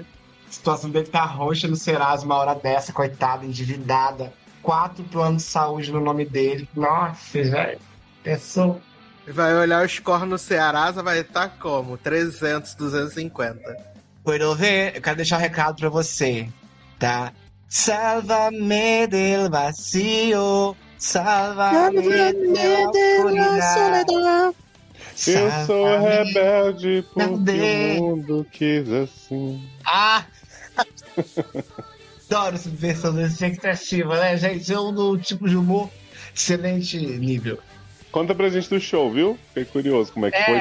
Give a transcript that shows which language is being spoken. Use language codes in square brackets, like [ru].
[pt] A situação dele tá roxa no Serasa, uma hora dessa, coitada, endividada. 4 planos de saúde no nome dele. Nossa, velho! É só... Vai olhar o score no Serasa, vai estar como? 300, 250. Eu quero deixar um recado pra você, tá? [es] Sálvame del vacío, sálvame de la soledad. [pt] Eu sou rebelde porque o mundo quis assim. Ah! Adoro essa versão da expectativa, né, gente? É um do tipo de humor excelente nível. Conta pra gente do show, viu? Fiquei curioso como é que foi.